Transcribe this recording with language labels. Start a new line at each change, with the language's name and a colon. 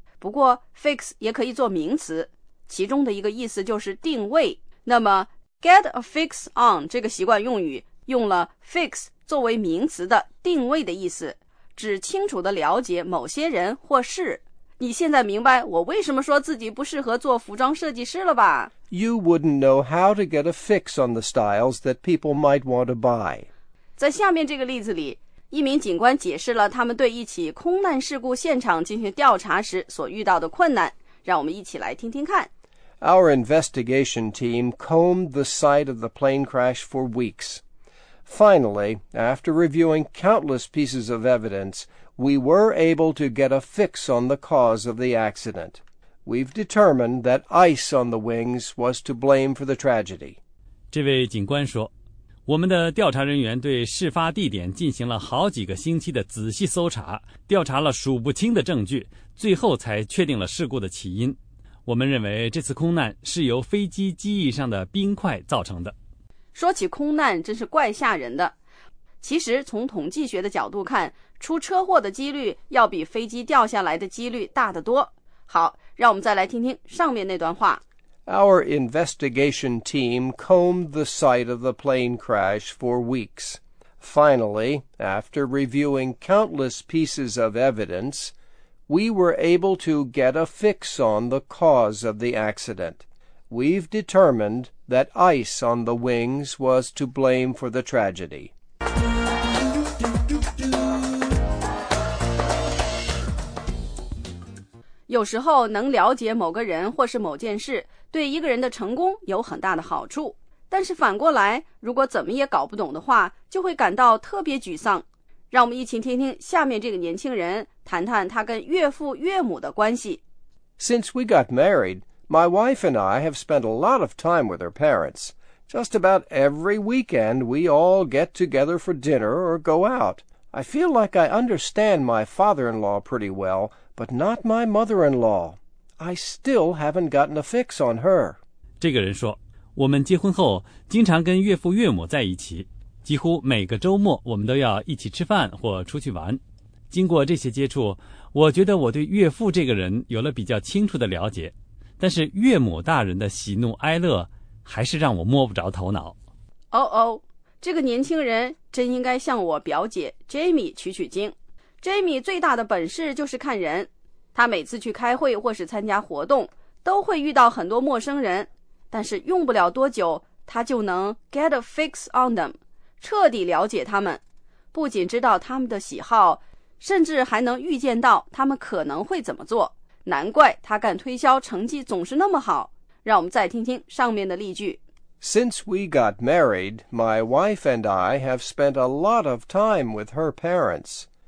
Chinese: 不过 fix 也可以做名词，其中的一个意思就是定位。那么
English: Get a fix on
Chinese: 这个习惯用语用了 fix 作为名词的定位的意思，指清楚地了解某些人或事。你现在明白我为什么说自己不适合做服装设计师了吧？
English: You wouldn't know how to get a fix on the styles that people might want to buy.
Chinese: 在下面这个例子里，一名警官解释了他们对一起空难事故现场进行调查时所遇到的困难，让我们一起来听听看。
English: Our investigation team combed the site of the plane crash for weeks. Finally, after reviewing countless pieces of evidence, we were able to get a fix on the cause of the accident. We've determined that ice on the wings was to blame for the tragedy.
Chinese: 这位警官说，我们的调查人员对事发地点进行了好几个星期的仔细搜查，调查了数不清的证据，最后才确定了事故的起因。我们认为这次空难是由飞机机翼上的冰块造成的。说起空难真是怪吓人的。其实从统计学的角度看，出车祸的几率要比飞机掉下来的几率大得多。好，让我们再来听听上面那段话。
English: Our investigation team combed the site of the plane crash for weeks. Finally, after reviewing countless pieces of evidence,We were able to get a fix on the cause of the accident. We've determined that ice on the wings was to blame for the tragedy.
Chinese: 有时候能了解某个人或是某件事，对一个人的成功有很大的好处。但是反过来，如果怎么也搞不懂的话，就会感到特别沮丧。让我们一起听听下面这个年轻人谈谈他跟岳父岳母的关系。
English: Since we got married, my wife and I have spent a lot of time with her parents. Just about every weekend, we all get together for dinner or go out. I feel like I understand my father-in-law pretty well, but not my mother-in-law. I still haven't gotten a fix on her.
Chinese: 这个人说，我们结婚后经常跟岳父岳母在一起。几乎每个周末我们都要一起吃饭或出去玩。经过这些接触，我觉得我对岳父这个人有了比较清楚的了解，但是岳母大人的喜怒哀乐还是让我摸不着头脑。哦哦，这个年轻人真应该向我表姐 Jamie 取取经。 Jamie 最大的本事就是看人，他每次去开会或是参加活动都会遇到很多陌生人，但是用不了多久他就能
English: get a fix on them，
Chinese: 彻底了解他们，不仅知道他们的喜好，甚至还能预见到他们可能会怎么做。难怪他干推销成绩总是那么好。让我们再听听上面的例句。
English: Since we got married, my wife and I have spent a lot of time with her parents.